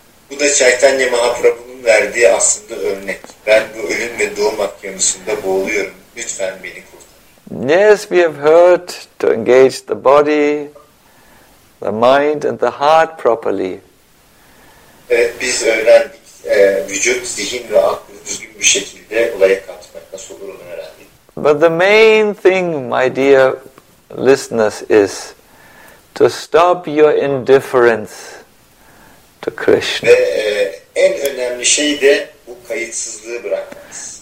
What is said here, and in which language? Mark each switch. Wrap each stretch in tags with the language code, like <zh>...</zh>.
<tr>Bu da Chaitanya Mahaprabhu'nun verdiği aslında örnek. Ben bu ölüm ve doğum okyanusunda boğuluyorum. Lütfen beni kurtar.</tr> <en>Yes, we have heard to engage the body, the mind and the heart properly.</en> <tr>Evet, biz öğrendik. Vücut, zihin ve aklı düzgün bir şekilde olaya katmak nasıl olur onu öğrendik.</tr> <en>But the main thing, my dear listeners, is to stop your indifference to Krishna.</en> <tr>Ve en önemli şey de bu kayıtsızlığı bırakmanız.</tr>